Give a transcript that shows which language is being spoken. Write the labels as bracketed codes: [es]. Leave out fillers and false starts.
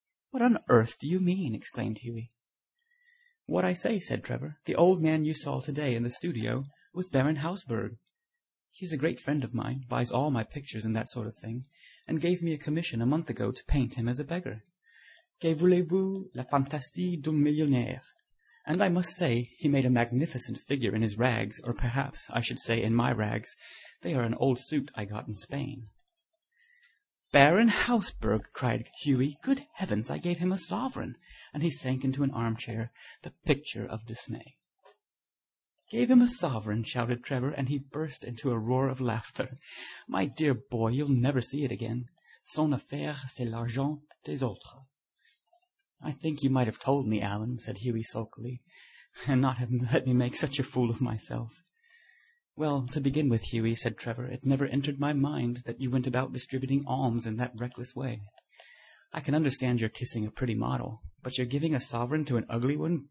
[en] "What on earth do you mean?" exclaimed Huey. "What I say," said Trevor. "The old man you saw today in the studio was Baron Hausberg. He's a great friend of mine, buys all my pictures and that sort of thing, and gave me a commission a month ago to paint him as a beggar. [fr] Que voulez-vous, la fantaisie d'un millionnaire? [en] And I must say, he made a magnificent figure in his rags, or perhaps, I should say, in my rags. They are an old suit I got in Spain." "Baron Hausberg!" cried Huey. "Good heavens, I gave him a sovereign!" And he sank into an armchair, the picture of dismay. "Gave him a sovereign!" shouted Trevor, and he burst into a roar of laughter. "My dear boy, you'll never see it again. [fr] Son affaire, c'est l'argent des autres." [en] "I think you might have told me, Alan," said Huey sulkily, "and not have let me make such a fool of myself." "Well, to begin with, Huey," said Trevor, "it never entered my mind that you went about distributing alms in that reckless way. I can understand your kissing a pretty model, but you're giving a sovereign to an ugly one?